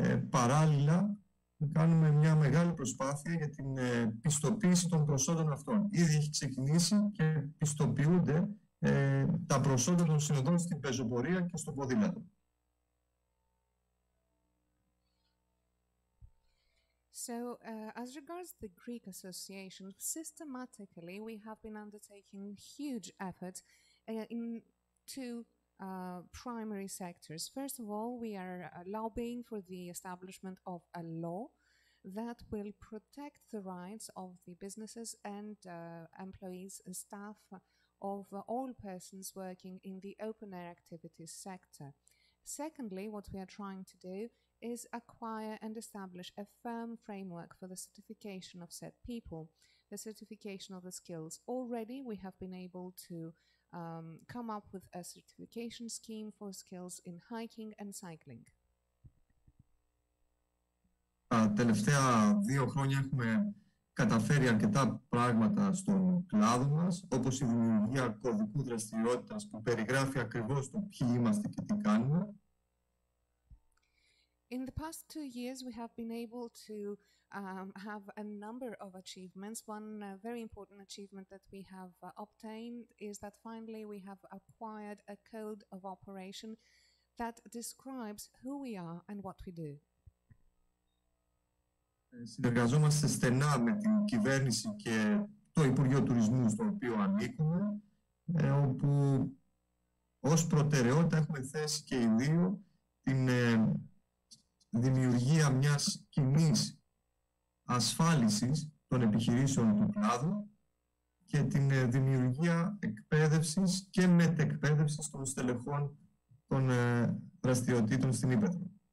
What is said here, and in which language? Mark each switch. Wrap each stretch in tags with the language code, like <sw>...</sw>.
<el>Παράλληλα, κάνουμε μια μεγάλη προσπάθεια για την πιστοποίηση των προσόντων αυτών. Ήδη έχει ξεκινήσει και πιστοποιούνται τα προσόντα των συνοδών στην πεζοπορία και στο ποδήλατο.</el> <en>So, as regards the Greek Association, systematically we have been undertaking huge efforts in two primary sectors. First of all, we are lobbying for the establishment of a law that will protect the rights of the businesses and employees and staff of all persons working in the open-air activities sector. Secondly, what we are trying to do is acquire and establish a firm framework for the certification of said people, the certification of the skills. Already we have been able to come up with a certification scheme for skills in hiking and cycling.</en> <el>Τα τελευταία 2 χρόνια έχουμε καταφέρει αρκετά πράγματα στον κλάδο μας, όπως η δημιουργία κωδικού δραστηριότητας που περιγράφει ακριβώς το ποιοι είμαστε και τι κάνουμε.</el> <en>In the past 2 years, we have been able to have a number of achievements. One very important achievement that we have obtained is that finally we have acquired a code of operation that describes who we are and what we do.</en> <el>Συνεργαζόμαστε στενά με την κυβέρνηση και το Υπουργείο Τουρισμού στο οποίο ανήκουμε, όπου ως προτεραιότητα έχουμε θέσει και οι δύο την δημιουργία μιας κοινής ασφάλισης των επιχειρήσεων του κλάδου και την δημιουργία εκπαίδευσης και μετεκπαίδευσης των στελεχών των δραστηριοτήτων στην ύπαιθρο.</el>